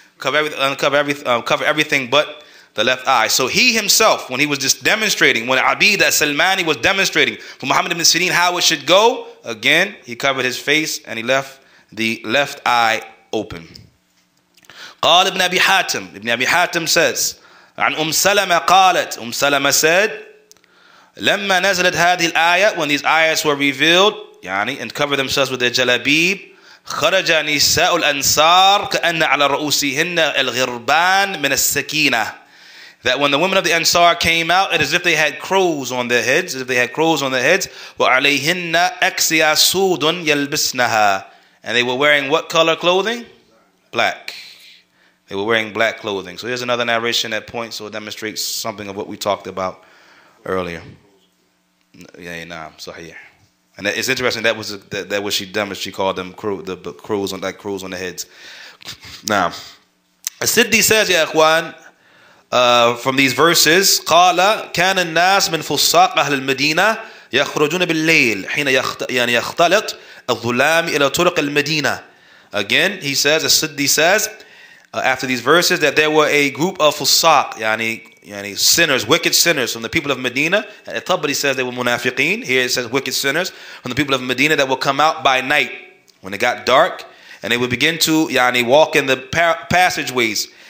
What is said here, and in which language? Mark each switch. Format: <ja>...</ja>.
<en>Cover everything but the left eye. So he himself, when he was just demonstrating, when Abid al-Salmani was demonstrating for Muhammad ibn Sirin how it should go, again, he covered his face and he left the left eye open. Qal ibn Abi Hatim. Ibn Abi Hatim says,</en> <ar>عن أم سلمة قالت أم سلمة</ar> <en>said,</en> <ar>لما نزلت هذه الآية,</ar> <en>when these ayahs were revealed,</en> <ar>يعني,</ar> <en>and covered themselves with their jalabib,</en> <ar>خرج نساء الأنصار كأن على رؤوسهن الغربان من السكينة.</ar> <en>That when the women of the Ansar came out, it is as if they had crows on their heads,</en> <ar>وعليهن أكسيا سود يلبسنها.</ar> <en>And they were wearing what color clothing? Black. They were wearing black clothing. So here's another narration that points or demonstrates something of what we talked about earlier. Yeah, nah, sahih. And it's interesting, that was she demonstrated, she called them crows on the heads. Now, Siddi says, Ya Ikhwan, from these verses,</en> <ar>قَالَ كَانَ النَّاسِ مِنْ فُصَّاقَ أَهْلِ الْمَدِينَةِ يَخْرُجُونَ بِالْلَّيْلِ حِينَ يَخْتَلِطْ الظُّلَامِ إِلَى طُرِقِ الْمَدِينَةِ.</ar> <en>Again, he says, Siddi says, after these verses, that there were a group of fusaq, yani sinners, wicked sinners from the people of Medina. And Tabari says they were munafiqeen. Here it says wicked sinners from the people of Medina that would come out by night when it got dark. And they would begin to, walk in the passageways.</en>